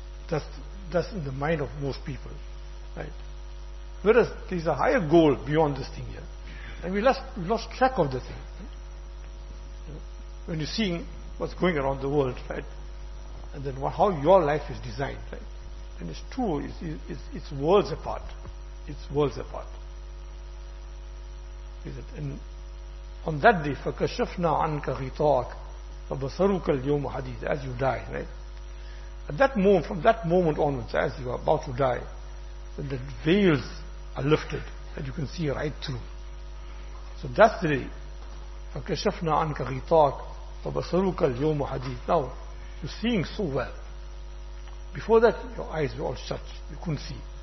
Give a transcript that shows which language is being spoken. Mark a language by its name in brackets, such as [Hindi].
[English] That's in the mind of most people, right? Whereas there is a higher goal beyond this thing here, and we lost track of the thing. When you're seeing what's going around the world, right, and then how your life is designed, right, and it's true, it's worlds apart. It's worlds apart. Is it? And on that day, [Arabic] فَكَشَفْنَا عَنْكَ غِطَاكَ فَبَصَرُكَ الْيَوْمَ حَدِيثٌ. [English] As you die, right. At that moment, from that moment onwards, as you are about to die, then the veils are lifted and you can see right through. So that's the day. [Arabic] فَكَشَفْنَا عَنْكَ غِطَاكَ فَبَصَرُكَ الْيَوْمُ حَدِيثٌ. [English] Now, you're seeing so well. Before that, your eyes were all shut. You couldn't see.